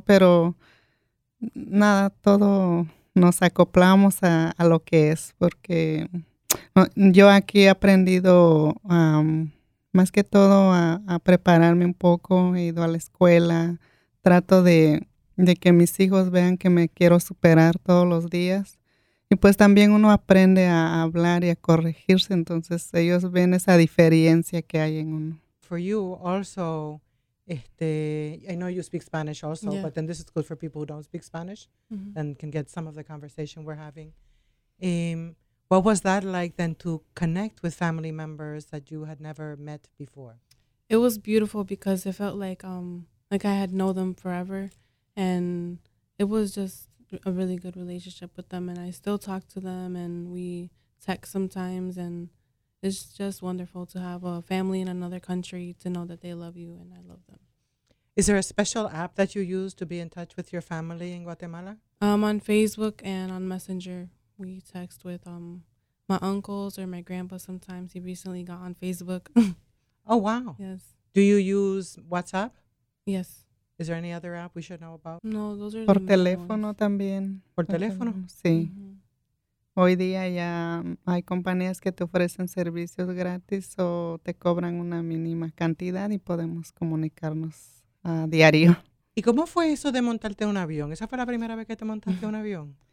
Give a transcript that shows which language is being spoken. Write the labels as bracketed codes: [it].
[es] Pero nada, todo nos acoplamos a lo que es, porque yo aquí he aprendido más que todo a prepararme un poco, he ido a la escuela, trato de que mis hijos vean que me quiero superar todos los días. Y pues también uno aprende a hablar y a corregirse, entonces ellos ven esa diferencia que hay en uno. [en] For you also, I know you speak Spanish also, yeah. But then this is good for people who don't speak Spanish, mm-hmm. and can get some of the conversation we're having. What was that like then to connect with family members that you had never met before? It was beautiful because it felt like I had known them forever, and it was just a really good relationship with them, and I still talk to them, and we text sometimes, and it's just wonderful to have a family in another country to know that they love you and I love them. Is there a special app that you use to be in touch with your family in Guatemala? On Facebook and on Messenger, we text with my uncles or my grandpa sometimes. He recently got on Facebook. Oh, wow. Yes. Do you use WhatsApp? Yes. Is there any other app we should know about? No, those are [es] por teléfono también. Por teléfono? Sí. Mm-hmm. Hoy día ya hay compañías que te ofrecen servicios gratis o te cobran una mínima cantidad y podemos comunicarnos a diario. ¿Y cómo fue eso de montarte un avión? ¿Esa fue la primera vez que te montaste un avión?